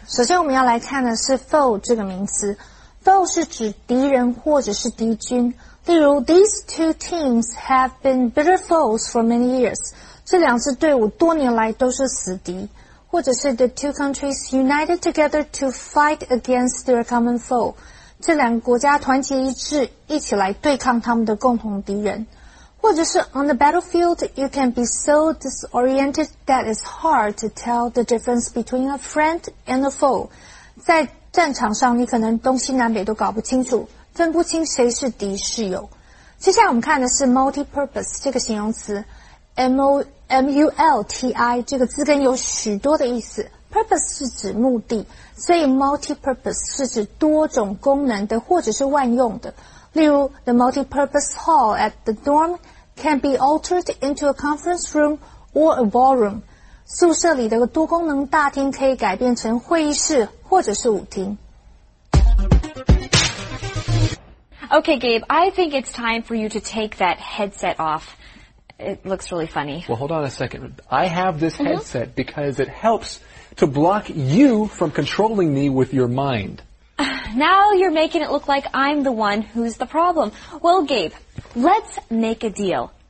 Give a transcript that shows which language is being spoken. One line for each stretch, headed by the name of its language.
Chinese: 首先我们要来看的是 foe 这个名词。 foe 是指敌人或者是敌军。例如
English: ,these two teams have been bitter foes for many years.
Chinese: 这两支队伍多年来都是死敌。或者是
English: the two countries united together to fight against their common foe.
Chinese: 这两个国家团结一致一起来对抗他们的共同敌人。或者是
English: on the battlefield, you can be so disoriented that it's hard to tell the difference between a friend and a foe.
Chinese: 在战场上你可能东西南北都搞不清楚，分不清谁是敌是友。接下来我们看的是 multi-purpose 这个形容词 M-U-L-T-I 这个字根有许多的意思。 purpose 是指目的，所以 multi-purpose 是指多种功能的或者是万用的。例如
English: the multi-purpose hall at the dorm can be altered into a conference room or a ballroom.
Chinese: 宿舍里的多功能大厅可以改变成会议室或者是舞厅。
English: Okay, Gabe, I think it's time for you to take that headset off. It looks really funny. Well, hold on a second. I have this headset because it helps to block you from controlling me with your mind. Now you're making it look like I'm the one who's the problem. Well, Gabe, let's make a deal.